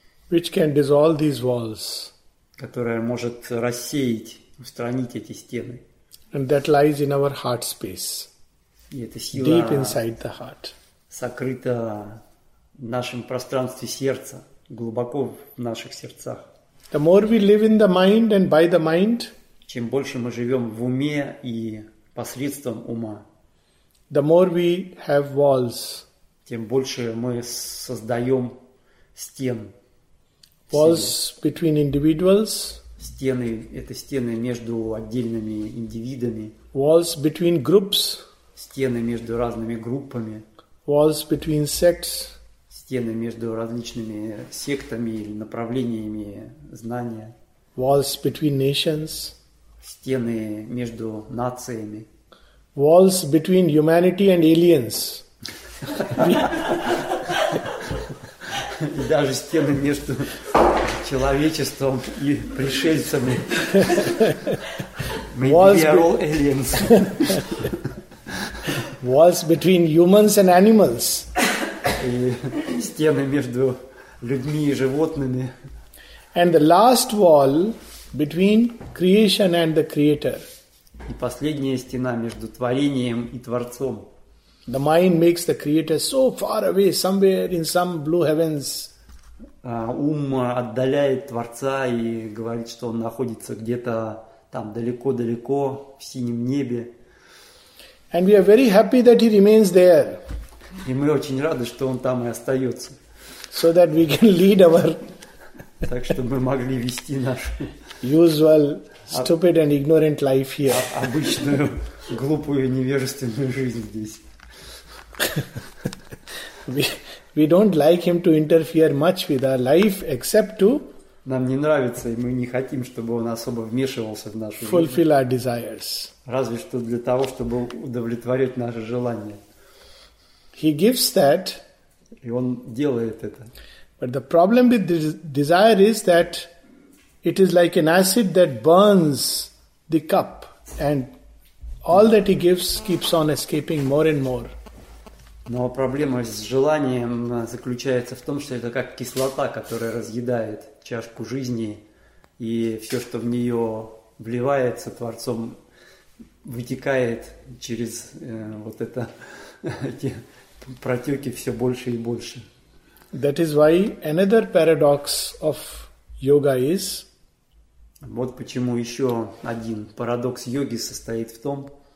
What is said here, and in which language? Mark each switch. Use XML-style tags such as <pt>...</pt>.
<en>which can dissolve these walls,</en> <ru>которая может рассеять, устранить эти стены.</ru> <en>And that lies in our heart space.</en> <ru>И эта сила</ru> <en>deep inside the heart.</en> <ru>Сокрыта в нашем пространстве сердца, глубоко в наших сердцах.</ru> <en>The more we live in the mind and by the mind,</en> <ru>чем больше мы живем в уме и посредством ума.</ru> <en>The more we have walls,</en> <ru>тем больше мы создаем стен.</ru> <en>Walls between individuals.</en> <ru>Стены, это стены между отдельными индивидами.</ru> <en>Walls between groups.</en> <ru>Стены между разными группами.</ru> <en>Walls between sects.</en> <ru>Стены между различными сектами или направлениями знания.</ru> <en>Walls between nations.</en> <ru>Стены между нациями.</ru> <en>Walls between humanity and aliens.</en> <ru>И даже стены между человечеством и пришельцами.</ru> <en>Walls, aliens. Walls between humans and animals.</en> <ru>И стены между людьми и животными.</ru> <en>And the last wall between creation and the creator.</en> <ru>И последняя стена между творением и творцом.</ru> <en>The mind makes the creator so far away, somewhere in some blue heavens.</en> <ru>Ум отдаляет творца и говорит, что он находится где-то там далеко-далеко в синем небе.</ru> <en>And we are very happy that he remains there.</en> <ru>И мы очень рады, что он там и остается.</ru> <en>So that we can lead our</en> <ru>так что мы могли вести наш</ru> <en>usual stupid and ignorant life here.</en> <ru>Обычную глупую невежественную жизнь здесь.</ru> <en>We don't like him to interfere much with our life except to</en> <ru>нам не нравится, и мы не хотим, чтобы он особо вмешивался в нашу жизнь.</ru> <en>Fulfill our desires.</en> <ru>Разве что для того, чтобы удовлетворить наши желания.</ru> <en>He gives that.</en> <ru>И он делает это.</ru> <en>But the problem with this desire is that it is like an acid that burns the cup, and all that he gives keeps on escaping more and more.</en> <ru>Но проблема с желанием заключается в том, что это как кислота, которая разъедает чашку жизни, и все, что в нее вливается Творцом, вытекает через вот это эти протеки все больше и больше.</ru> <en>That is why another paradox of yoga is.</en> <ru>Вот почему еще один парадокс йоги состоит в том.</ru>